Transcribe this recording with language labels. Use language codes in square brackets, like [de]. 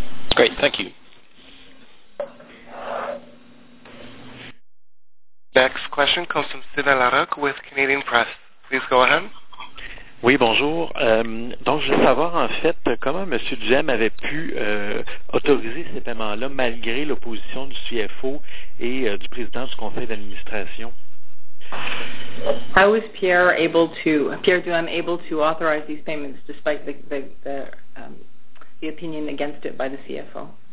[en] Great, thank you. Next question comes from Sylvain Larocque with Canadian Press. Please go ahead. [fr] Oui, bonjour. Donc, je veux savoir, en fait, comment M. Duhaime avait pu autoriser ces paiements-là malgré l'opposition du CFO et du président du conseil d'administration? [en] How was Pierre Duhaime able to authorize these payments despite the opinion against it by the CFO?